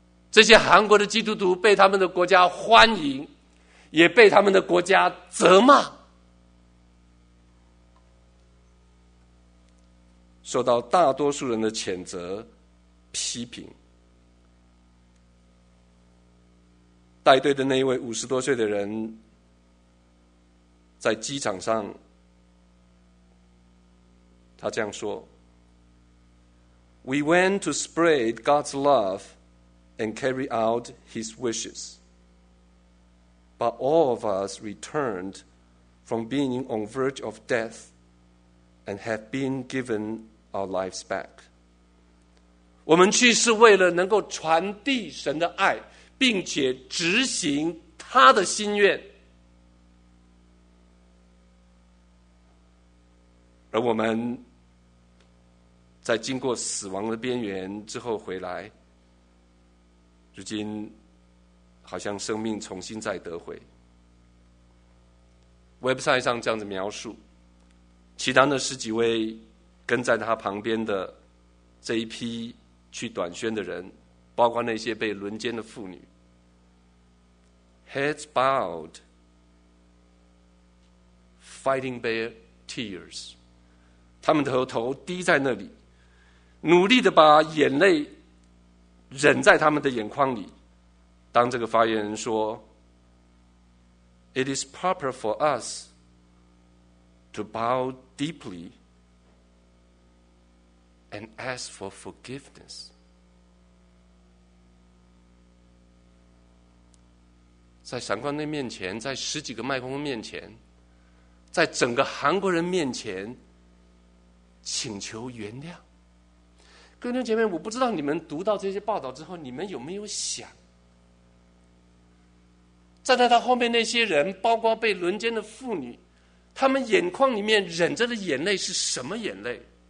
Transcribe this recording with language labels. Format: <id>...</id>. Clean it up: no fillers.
<zh>这些韩国的基督徒被他们的国家欢迎，也被他们的国家责骂。受到大多数人的谴责、批评。带队的那一位50多岁的人，在机场上，他这样说</zh> <en>：“We went to spread God's love and carry out His wishes, but all of us returned from being on verge of death and have been given our lives back.</en> <zh>我们去是为了能够传递神的爱，并且执行他的心愿。而我们在经过死亡的边缘之后回来，如今好像生命重新再得回。 Website 上这样子描述，其他的十几位跟在他旁边的这一批去短宣的人，包括那些被轮奸的妇女，</zh> <en>Heads bowed, fighting their tears,</en> <zh>他们头低在那里，努力的把眼泪忍在他们的眼眶里。当这个发言人说</zh> <en>It is proper for us to bow deeply and ask for forgiveness.</en> <zh>在闪光灯面前，在十几个麦克风面前，在整个韩国人面前请求原谅。各位姐妹，我不知道你们读到这些报道之后，你们有没有想，站在他后面那些人，包括被轮奸的妇女，他们眼眶里面忍着的眼泪是什么眼泪？</zh>